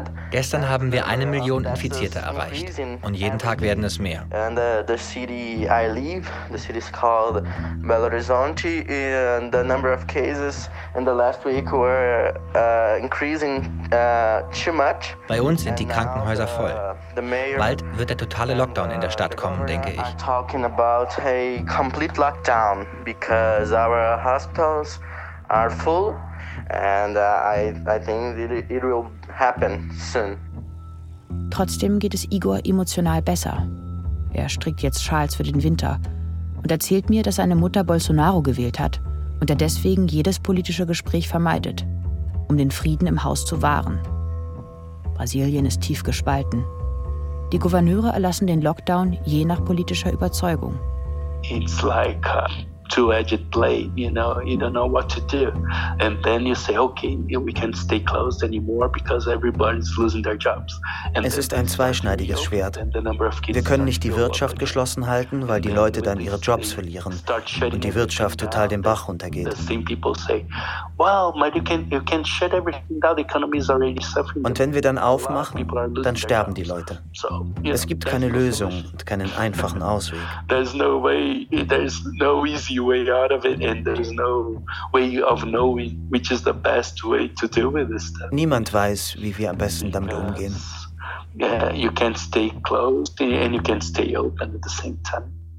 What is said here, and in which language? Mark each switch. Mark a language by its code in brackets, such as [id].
[de] Gestern haben wir 1 Million Infizierte erreicht und jeden Tag werden es mehr. [en] And the city I live, the city is called Belo Horizonte, and the number of cases in the last week were increasing too much. [de] Bei uns sind die Krankenhäuser voll. Bald wird der totale Lockdown in der Stadt kommen, denke ich. [en] Talking about a complete lockdown because our hospitals are full and I think it will happen soon. [de] Trotzdem geht es Igor emotional besser. Er strickt jetzt Schals für den Winter und erzählt mir, dass seine Mutter Bolsonaro gewählt hat und er deswegen jedes politische Gespräch vermeidet, um den Frieden im Haus zu wahren. Brasilien ist tief gespalten. Die Gouverneure erlassen den Lockdown je nach politischer Überzeugung. [en] It's like a two-edged blade, you know, you don't know what to do. And then you say, okay, we can't stay closed anymore because everybody's losing their jobs. And [de] es ist ein zweischneidiges Schwert. Wir können nicht die Wirtschaft geschlossen halten, weil die Leute dann ihre Jobs verlieren und die Wirtschaft total den Bach runtergeht. [en] The same people say, well, you can shut everything down, the economy is already suffering. [de] Und wenn wir dann aufmachen, dann sterben die Leute. Es gibt keine Lösung und keinen einfachen Ausweg. [en] There's no way, there's no easy way out of it, and there's no way of knowing which is the best way to deal with this stuff. [de] Niemand weiß, wie wir am besten damit umgehen. [en] Yeah, you can't stay closed and you can't stay open at the same time.